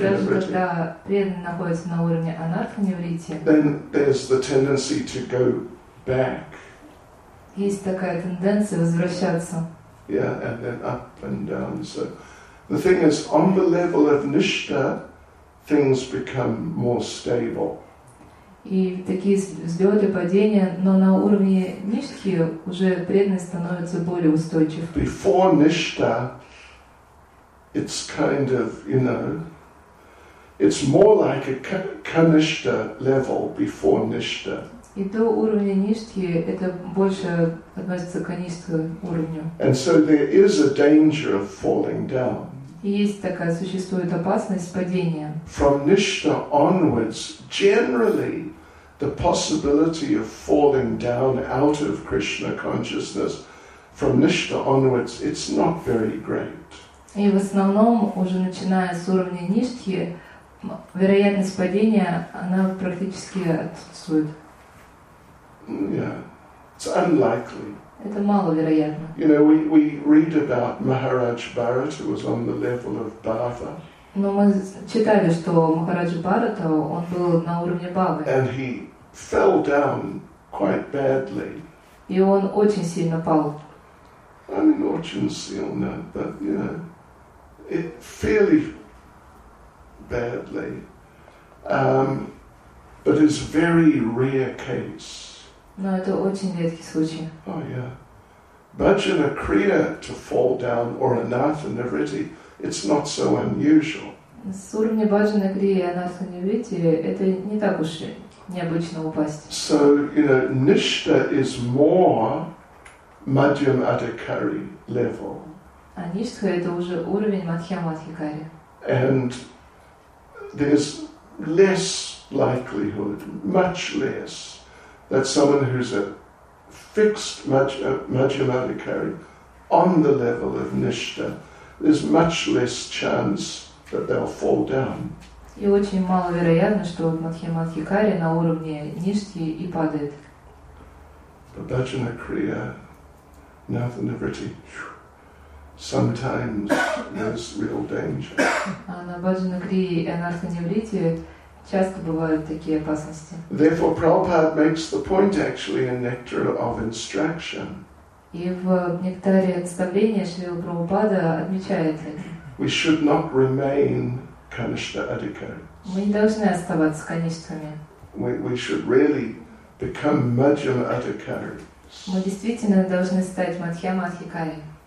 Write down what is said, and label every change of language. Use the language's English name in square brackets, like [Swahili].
[Russian] Даже когда преданный находится на уровне анатта нивритти. [English] Then there's the tendency to go back. [Russian] Есть такая тенденция возвращаться. [English] Yeah, and then up and down. So the thing is, on the level of nishta, things become more stable. [Russian] И такие взлеты, падения, но на уровне ништхи уже преданность становится более устойчив. [English] Before nishta, it's kind of, you know, it's more like a kanishta level before nishta. [Russian] И до уровня ништхи это больше относится к канистскому уровню. [English] And so there is a danger of falling down. [Russian] И есть такая, существует опасность падения. [English] From nishta onwards, generally, the possibility of falling down out of Krishna consciousness, from nishta onwards, it's not very great. [Russian] И в основном, уже начиная с уровня ништхи, вероятность падения, она практически отсутствует. [English] Yeah, it's unlikely. [Russian] Это маловероятно. [English] You know, we read about Maharaj Bharat, who was on the level of Bhava. [Russian] Но мы читали, что Махарадж Бхарата, он был на уровне Бхавы. [English] And he fell down quite badly. [Russian] И он очень сильно пал. [English] I mean, [Russian] очень сильно, [English] but you know, it fairly badly. But it's very rare case. [Russian] Но это очень редкий случай. [English] Oh yeah, Bhajana Kriya to fall down or Anatha Nivritti, it's not so unusual. [Russian] С уровня Bhajana Kriya и Anatha Nivritti это не так уж необычно упасть. [English] So you know, Nishta is more Madhyam Adhikari level. [Russian] А Ништха это уже уровень Мадхьям Адхикари. [English] And there's less likelihood, much less. That someone who's a fixed Madhyamadhikari on the level of nishta, there's much less chance that they'll fall down. [Russian] И очень маловероятно, что Мадхьямадхикари на уровне ништхи и падает. [English] But Bhajana Kriya, Anatha Nivritti, sometimes there's real danger. [Russian] А на Bhajana Kriya и Anatha Nivritti часто бывают такие опасности. [English] Therefore, Prabhupada makes the point actually in Nectar of Instruction. [Russian] И в Нектаре Отставления Шрила Прабхупада отмечает это. [English] We should not remain Kanishta Adhikaris. [Russian] Мы не должны оставаться каништхами. [English] We should really become Madhyam Adhikaris. [Russian] Мы действительно должны стать Мадхьяма Адхикари.